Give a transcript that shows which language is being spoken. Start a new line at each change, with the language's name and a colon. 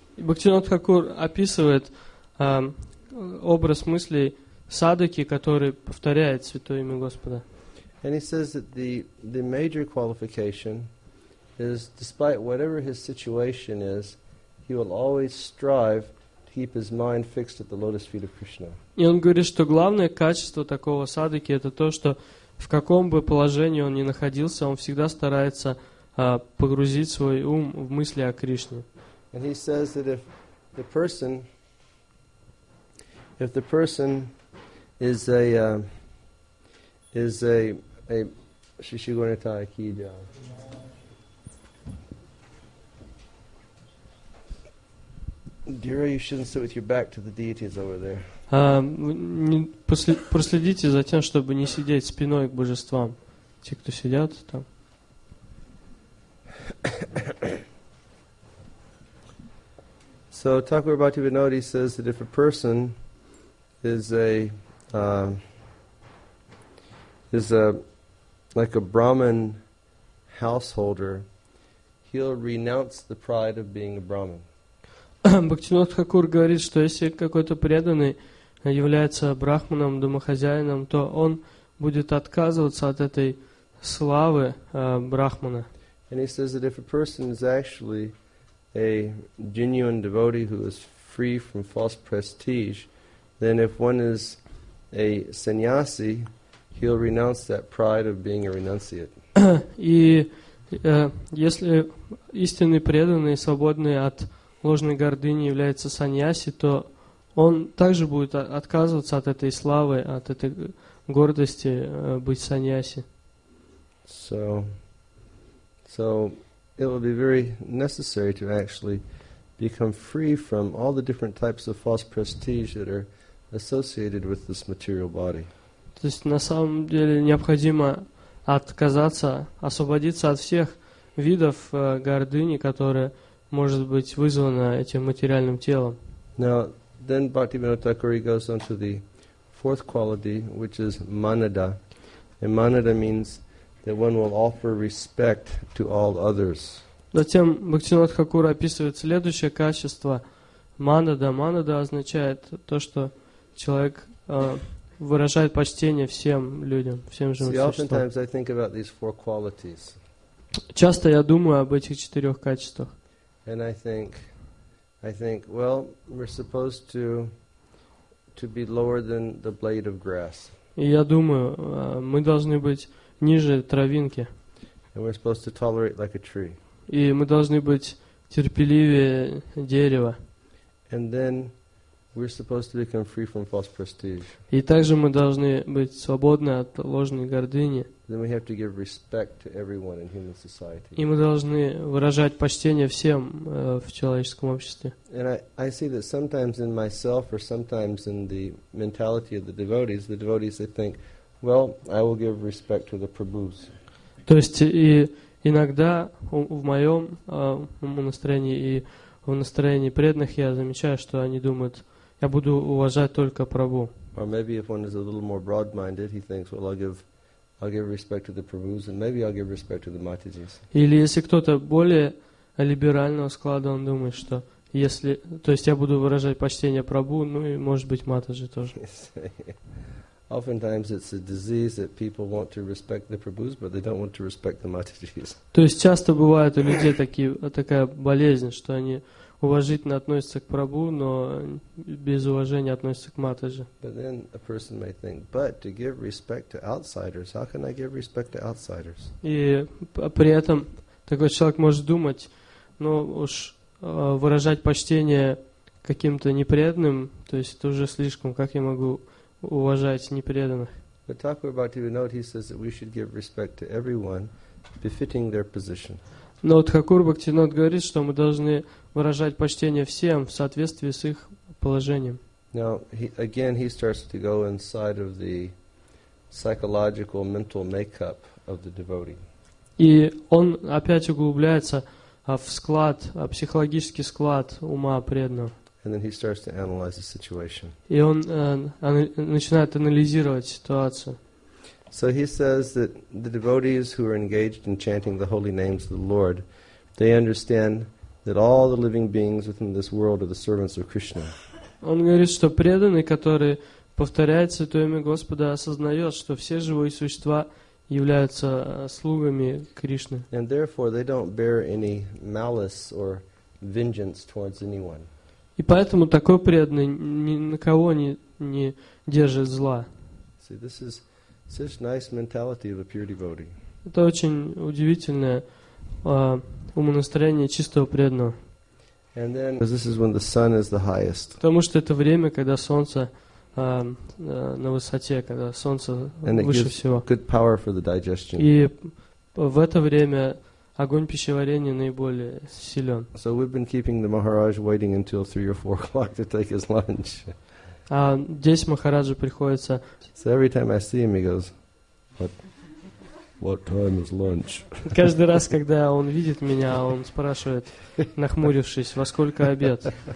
Russian: Бхактинат Хакур описывает образ мыслей садаки, который повторяет святое имя Господа.
English: And he says that the major qualification is, despite whatever his situation is, he will always strive to keep his mind fixed at the lotus feet of Krishna.
Russian: И он говорит, что главное качество такого садаки это то, что в каком бы положении он ни находился, он всегда старается погрузить свой ум в мысли о Кришне.
English: And he says that if the person is a shishigunata akidya. Dira, you shouldn't sit with your back to the deities over there.
Russian: Проследите за тем, чтобы не сидеть спиной к божествам. Те, кто сидят там.
English: So Thakur Bhaktivinoda says that if a person is a like a Brahmin householder, he'll renounce the pride of being a Brahmin.
Russian: Бхактинат Хакур говорит, что если какой-то преданный является брахманом, домохозяином, то он будет отказываться от этой славы брахмана.
English: And he says that if a person is actually a genuine devotee who is free from false prestige, then if one is a sannyasi, he'll renounce that pride of being a renunciate.
Russian: И если истинный преданный, свободный от ложной гордыни, является сannyasi, то он также будет отказываться от этой славы, от этой гордости быть sannyasi.
English: So it will be very necessary to actually become free from all the different types of false prestige that are associated with this material body.
Russian: То есть на самом деле необходимо отказаться, освободиться от всех видов гордыни, которые может быть вызваны этим материальным телом.
English: Now, then Bhaktivinoda Thakur goes on to the fourth quality, which is manada. And manada means that one will offer respect to all others.
Russian: Затем Бхактивинода Тхакур описывает следующее качество манада. Манада означает то, что человек выражает почтение всем людям, всем живым существам.
English: See, oftentimes I think about these four qualities.
Russian: Часто я думаю об этих четырех качествах.
English: And I think, well, we're supposed to be lower than the blade of grass.
Russian: Я думаю, мы должны быть ниже травинки.
English: And we're supposed to tolerate like a tree.
Russian: И мы должны быть терпеливее дерева.
English: And then we're supposed to become free from false prestige.
Russian: И также мы должны быть свободны от ложной гордыни.
English: Then we have to give respect to everyone in human society.
Russian: И мы должны выражать почтение всем в человеческом обществе.
English: And I see that sometimes in myself or sometimes in the mentality of the devotees, they think, well, I will give respect to the Prabhus.
Russian: То есть и иногда в моем настроении и в настроении преданных я замечаю, что они думают, я буду уважать только Прабху.
English: Or maybe if one is a little more broad-minded, he thinks, well, I'll give respect to the Prabhus, and maybe I'll give respect to the Matijis.
Russian: Или если кто-то более либерального склада, он думает, что если, то есть я буду выражать почтение Прабху, ну и может быть Матаджи тоже.
English: Oftentimes it's a disease that people want to respect the Prabhus, but they don't want to respect the Matijis.
Russian: То есть часто бывает у людей такая болезнь, что они уважительно относятся к Прабху, но без уважения относятся к Матаджи.
English: But then a person may think, but to give respect to outsiders, how can I give respect to outsiders?
Russian: И при этом такой человек может думать, ну уж выражать почтение каким-то непреданным, то есть это уже слишком, как я могу уважать непреданных?
English: But Thakur Bhaktivinoda, he says that we should give respect to everyone befitting their position.
Russian: Но Тхакур Бхактинот говорит, что мы должны выражать почтение всем в соответствии с их положением.
English: Now, again, he starts to go inside of the psychological mental makeup of the devotee.
Russian: И он опять углубляется в склад, в психологический склад ума преданного.
English: And then he starts to analyze the situation.
Russian: И он начинает анализировать ситуацию.
English: So he says that the devotees who are engaged in chanting the holy names of the Lord, they understand that all the living beings within this world are the servants of Krishna.
Russian: Он говорит, что преданный, который повторяет святое имя Господа, осознает, что все живые существа являются слугами Кришны.
English: And therefore they don't bear any malice or vengeance towards anyone.
Russian: И поэтому такой преданный ни на кого не держит зла.
English: See, this is such nice mentality of a pure devotee.
Russian: Это очень удивительное умонастроение чистого преданного.
English: And then, because this is when the sun is the highest.
Russian: Потому что это время, когда солнце на высоте, когда солнце выше всего.
English: Good power for the digestion.
Russian: И в это время огонь пищеварения наиболее силен.
English: So we've been keeping the Maharaj waiting until 3 or 4 o'clock to take his lunch.
Russian: Здесь Махараджи приходится.
English: So every time I see him, he goes, "What time is lunch?"
Russian: Каждый раз, когда он видит меня, он спрашивает, нахмурившись, "Во сколько обед?"